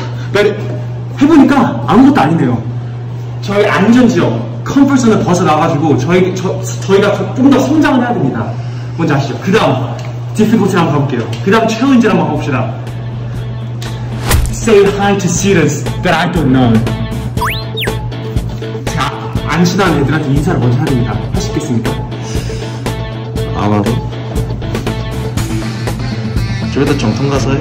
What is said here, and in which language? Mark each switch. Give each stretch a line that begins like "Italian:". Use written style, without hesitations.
Korean: 근데 해보니까 아무것도 아니네요. 저희 안전지역, 컴포트존을 벗어나가지고 저희가 조금 더 성장을 해야 됩니다. 뭔지 아시죠? 그 다음 difficulty 한번 가볼게요. 그 다음 챌린지로 한번 가봅시다.
English: Say hi to students that I don't know.
Korean: 자, 안 친한 애들한테 인사를 먼저 해야 됩니다. 하시겠습니까? 아마도 저희도 정통 가서요.